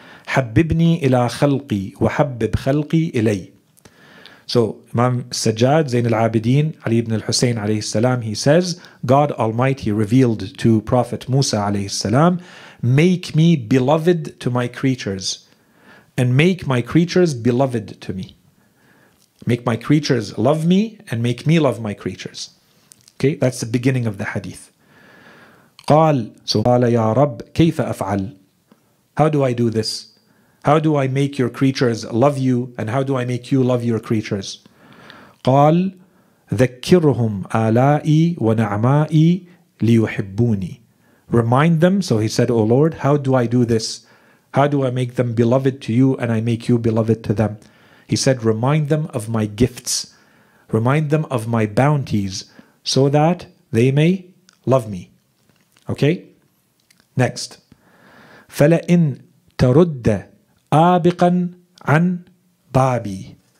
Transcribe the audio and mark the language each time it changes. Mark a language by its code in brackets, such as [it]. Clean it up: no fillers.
[ar] حببني إلى خلقي وحبب خلقي إلي." [en] So Imam Sajjad Zain al-Abidin Ali ibn al-Husayn alayhi salam, he says, God Almighty revealed to Prophet Musa alayhi salam, "Make me beloved to my creatures, and make my creatures beloved to me. Make my creatures love me, and make me love my creatures." Okay, that's the beginning of the hadith. [ar] قال so قال يا رب كيف أفعل. [en] How do I do this? How do I make your creatures love you? And how do I make you love your creatures? قال [ar] ذكرهم آلائي ونعمائي ليحبوني. [en] Remind them. So he said, O Lord, how do I do this? How do I make them beloved to you and I make you beloved to them? He said, remind them of my gifts. Remind them of my bounties so that they may love me. Okay? Next. [ar] فَلَئِن تَرُدَّ آبِقًا عَن بَابِي.